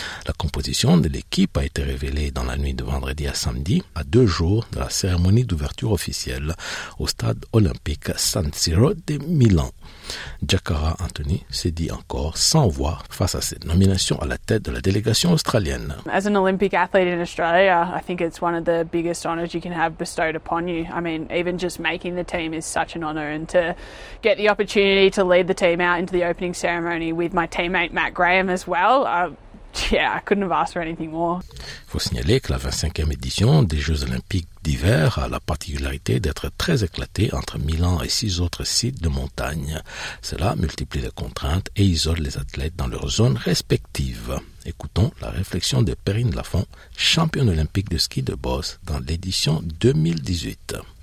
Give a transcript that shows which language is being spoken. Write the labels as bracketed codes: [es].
[fr] La composition de l'équipe a été révélée dans la nuit de vendredi à samedi, à deux jours de la cérémonie d'ouverture officielle au stade olympique San Siro de Milan. Jakara Anthony s'est dit encore sans voix face à cette nomination à la tête de la délégation australienne. [en] As an Olympic athlete in Australia, I think it's one of the biggest honors you can have bestowed upon you. I mean, even just making the team is such an honor, and to get the opportunity to lead the team out into the opening ceremony with my teammate Matt Graham as well. I couldn't have asked for anything more. [fr] Il faut signaler que la 25e édition des Jeux Olympiques d'hiver a la particularité d'être très éclatée entre Milan et six autres sites de montagne. Cela multiplie les contraintes et isole les athlètes dans leurs zones respectives. Écoutons la réflexion de Perrine Lafont, championne olympique de ski de bosse dans l'édition 2018.